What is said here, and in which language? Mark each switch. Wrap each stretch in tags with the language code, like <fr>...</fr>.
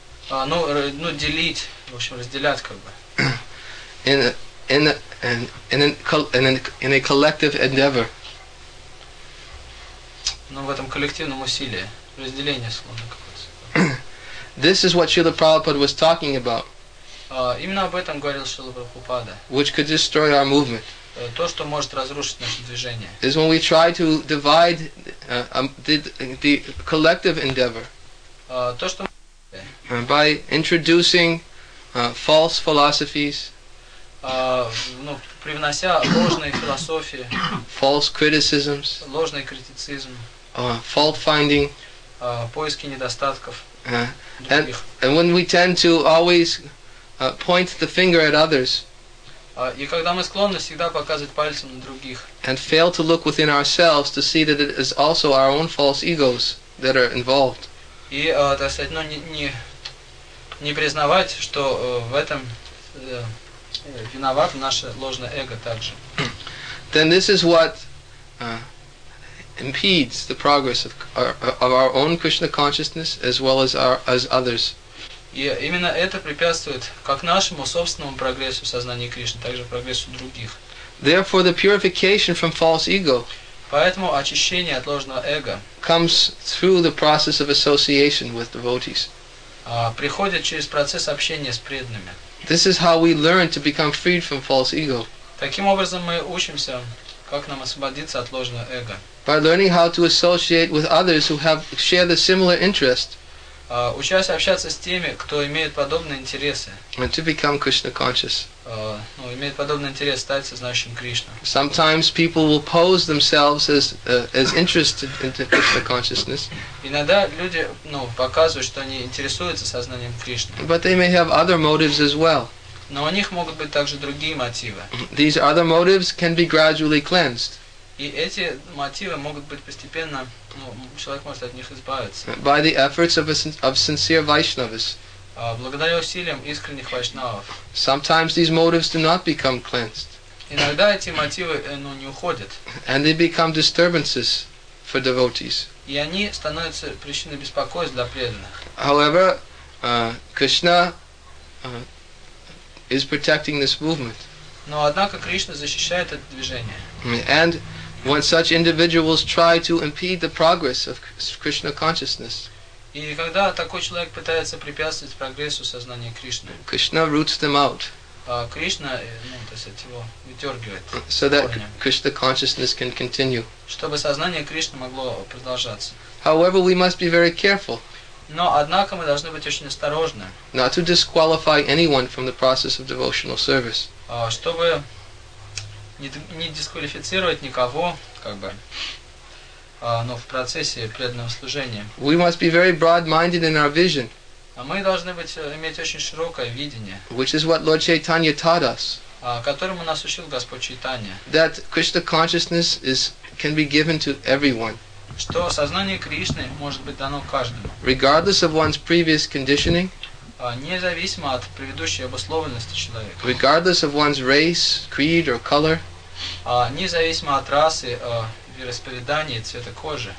<ru>Ну, делить, в общем, разделять как бы.</ru> <en>In a collective endeavor.</en> <ru>Ну, в этом коллективном усилии разделение склонно какое-то.</ru> <en>This is what Srila Prabhupada was talking about.</en> <ru>Именно об этом говорил Шрила Прабхупада.</ru> <en>Which could destroy our movement.</en> <ru>То, что может разрушить наше движение.</ru> <en>Is when we try to divide the collective endeavor.</en> <ru>То, что</ru> <en>by introducing false philosophies.</en> <ru>Ну, привнося ложные философии.</ru> <en>False criticisms.</en> <ru>Ложный критицизм.</ru> <en>Fault finding.</en> <ru>Поиски недостатков.</ru> <en>And when we tend to always point the finger at others.</en> <ru>И когда мы склонны всегда показывать пальцем на других.</ru> <en>And fail to look within ourselves to see that it is also our own false egos that are involved.</en> <ru>И, так сказать, ну, не признавать, что в этом виноват наше ложное эго также.</ru> <en>Then this is what impedes the progress of our own Krishna consciousness as well as as others.</en> <ru>И именно это препятствует как нашему собственному прогрессу сознания Кришны, так же прогрессу других.</ru> <en>Therefore, the purification from false ego.</en> <ru>Поэтому очищение от ложного эго.</ru> <en>Comes through the process of association with devotees.</en> <ru>Приходит через процесс общения с преданными.</ru> <en>This is how we learn to become freed from false ego.</en> <ru>Таким образом мы учимся, как нам освободиться от ложного эго.</ru> <en>By learning how to associate with others who have share the similar interest.</en> <ru>Учась общаться с теми, кто имеет подобные интересы.</ru> <en>And to become Krishna conscious.</en> <ru>Ну, имеет подобный интерес стать сознающим Кришну.</ru> <en>Sometimes people will pose themselves as interested in Krishna consciousness.</en> <ru>Иногда люди, ну, показывают, что они интересуются сознанием Кришны.</ru> <en>But they may have other motives as well.</en> <ru>Но у них могут быть также другие мотивы.</ru> <en>These other motives can be gradually cleansed.</en> <ru>И эти мотивы могут быть постепенно, ну, человек может от них избавиться.</ru> <en>By the efforts of sincere Vaishnavas.</en> <ru>Благодаря усилиям искренних вайшнавов.</ru> <en>Sometimes these motives do not become cleansed.</en> <ru>Иногда эти мотивы, ну, не уходят.</ru> <en>And they become disturbances for devotees.</en> <ru>И они становятся причиной беспокойств для преданных.</ru> <en>However, Krishna is protecting this movement.</en> <ru>Но однако Кришна защищает это движение.</ru> <en>And when such individuals try to impede the progress of Krishna consciousness.</en> <ru>И когда такой человек пытается препятствовать прогрессу сознания Кришны,</ru> <en>Krishna roots them out.</en> <ru>Кришна, ну, то есть его выдергивает.</ru> <en>So that Krishna consciousness can continue.</en> <ru>Чтобы сознание Кришны могло продолжаться.</ru> <en>However, we must be very careful.</en> <ru>Но однако мы должны быть очень осторожны.</ru> <en>Not to disqualify anyone from the process of devotional service.</en> <ru>Чтобы не дисквалифицировать никого, как бы. Но в процессе преданного служения.</ru> <en>We must be very broad-minded in our vision.</en> <ru>А мы должны иметь очень широкое видение.</ru> <en>Which is what Lord Chaitanya taught us.</en> <ru>Которому нас учил Господь Чайтанья.</ru> <en>That Krishna consciousness can be given to everyone.</en> <ru>Что сознание Кришны может быть дано каждому.</ru> <en>Regardless of one's previous conditioning.</en> <ru>Независимо от предыдущей обусловленности человека.</ru> <en>Regardless of one's race, creed or color.</en> <ru>Независимо от расы. Вероисповедание цвета кожи.</ru>